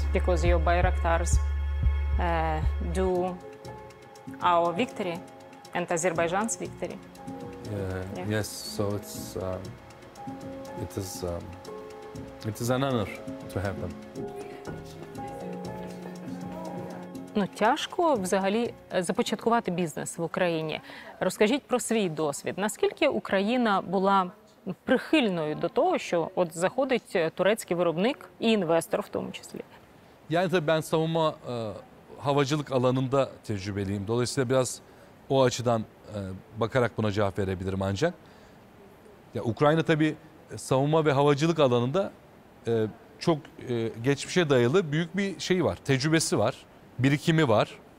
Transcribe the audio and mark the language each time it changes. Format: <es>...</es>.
<en>Because your Bayraktars do our victory and Azerbaijan's victory. Yeah. Yes, so it's it is an honor to have them.</en> <uk>Ну, тяжко взагалі започаткувати бізнес в Україні. Розкажіть про свій досвід. Наскільки Україна була прихильною до того, що от заходить турецький виробник і інвестор в тому числі?</uk> <tr>Yani tabii ben savunma havacılık alanında tecrübeliyim. Dolayısıyla biraz o açıdan bakarak buna cevap verebilirim ancak. Ya Ukrayna tabii savunma ve havacılık alanında çok geçmişe dayalı büyük bir şey var, tecrübesi var, birikimi var.</tr>